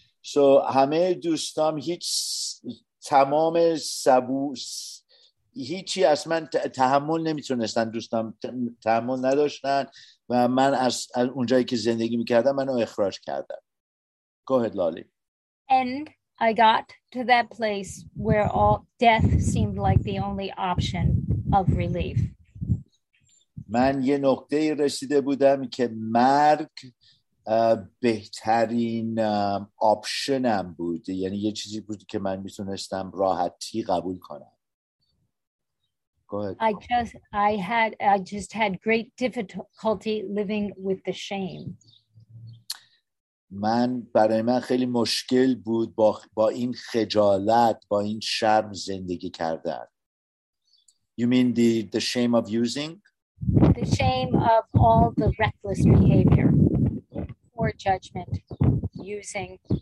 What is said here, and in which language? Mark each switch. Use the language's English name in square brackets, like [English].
[Persian] So همه دوستام هیچ تمام سبوس هیچی از من تحمل نمیتونستن، دوستان تحمل نداشتن و من از اونجایی که زندگی میکردم منو اخراج کردن. [English] Go ahead, Lolly. And I got to that place where all death seemed like the only option of relief. [Persian] من یه نقطه رسیده بودم که مرگ بهترین آپشنم بود، یعنی یه چیزی بود که من میتونستم راحتی قبول کنم. Go ahead. [English] I just had great difficulty living with the shame. [Persian] من برای من خیلی مشکل بود با این خجالت، با این شرم زندگی کردن. [English] You mean the shame of using? The shame of all the reckless behavior, poor judgment, using.